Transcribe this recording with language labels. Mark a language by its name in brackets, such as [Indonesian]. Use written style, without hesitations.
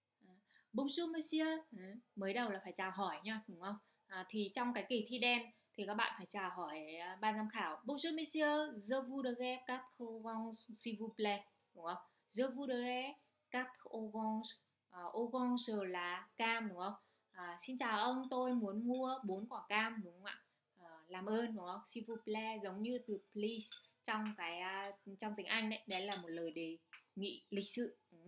[French] Bonjour monsieur, [Vietnamese] mới đầu là phải chào hỏi nhá, đúng không? Thì trong cái kỳ thi đen thì các bạn phải chào hỏi ban giám khảo. [French] Bonjour monsieur, je voudrais 4 oranges s'il vous plaît, [Vietnamese] đúng không? [French] Je voudrais 4 oranges. [Vietnamese] Oranges là cam, đúng không? Xin chào ông, tôi muốn mua 4 quả cam, đúng không ạ? Làm ơn, đúng không? [French] S'il vous plaît, [Vietnamese] giống như từ please trong cái trong tiếng Anh đấy, đấy là một lời đề nghị lịch sự, đúng không